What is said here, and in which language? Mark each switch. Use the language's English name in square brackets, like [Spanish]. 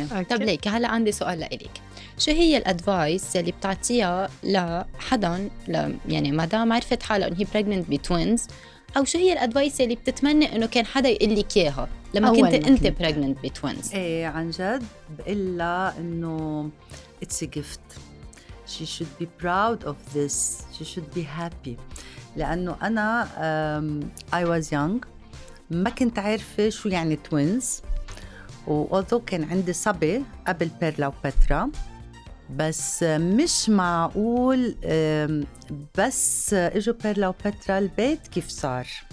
[Arabic] طب ليك هلا عندي سؤال لإليك. شو هي الأدفايس اللي بتعطيها لحدا يعني مادام عرفت حالة إن هي pregnant بتوينز أو شو هي الأدفايس اللي بتتمنى إنه كان حدا يقول لك إياها لما كنت أنت pregnant بتوينز؟ إيه عن جد بقول لها إنه [English] it's a gift. She should be proud of this. She should be happy. [Arabic] لأنه أنا [English] I was young [Arabic] ما كنت عارفة شو يعني twins. وأذو كان عندي صبي قبل بيرلا وبترا بس مش معقول بس اجوا بيرلا وبترا البيت كيف صار